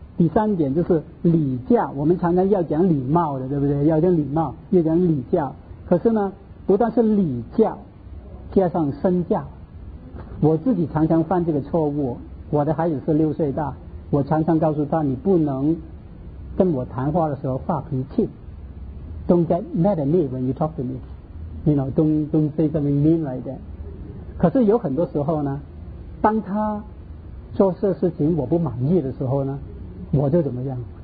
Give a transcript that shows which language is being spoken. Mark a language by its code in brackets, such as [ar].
[zh] 第三点就是礼教，我们常常要讲礼貌的，对不对？要讲礼貌，要讲礼教。可是呢，不但是礼教，加上身教。我自己常常犯这个错误，我的孩子是六岁大，我常常告诉他，你不能跟我谈话的时候发脾气。 [en] Don't get mad at me when you talk to me. You know, don't say something mean like that. [zh] 可是有很多时候呢，当他做这事情我不满意的时候呢，我就怎么样？